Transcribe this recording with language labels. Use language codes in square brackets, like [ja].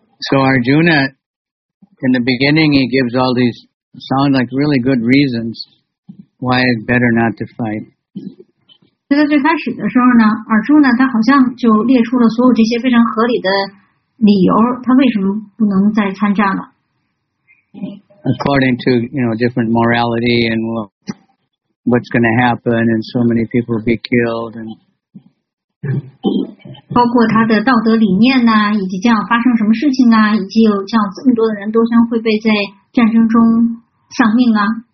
[en] So Arjuna, in the beginning, he gives all these sound like really good reasons why it's better not to fight. [zh] 所以在最开始的时候呢 ，Arjuna 他好像就列出了所有这些非常合理的理由，他为什么不能再参战了 [en] ？According to, you know, different morality and what's going to happen, and so many people will be killed and. [zh] 包括他的道德理念呐、以及将要发生什么事情啊，以及有这样这么多的人都将会被在战争中丧命啊。